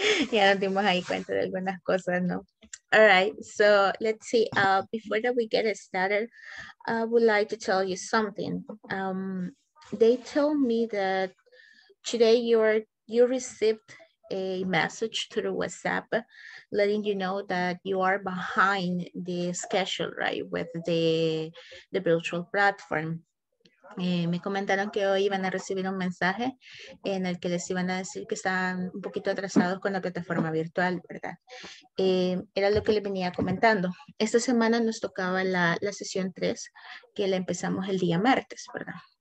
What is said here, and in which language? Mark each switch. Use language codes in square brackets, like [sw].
[es] Ya nos dimos ahí cuenta de algunas cosas, ¿no? [en] All right, so let's see. Before that we get started, I would like to tell you something. They told me that today you received a message through WhatsApp letting you know that you are behind the schedule, right, with the virtual platform. [es] Me comentaron que hoy iban a recibir un mensaje en el que les iban a decir que estaban un poquito atrasados con la plataforma virtual, ¿verdad? Era lo que les venía comentando. Esta semana nos tocaba la sesión 3, que la empezamos el día martes, ¿verdad?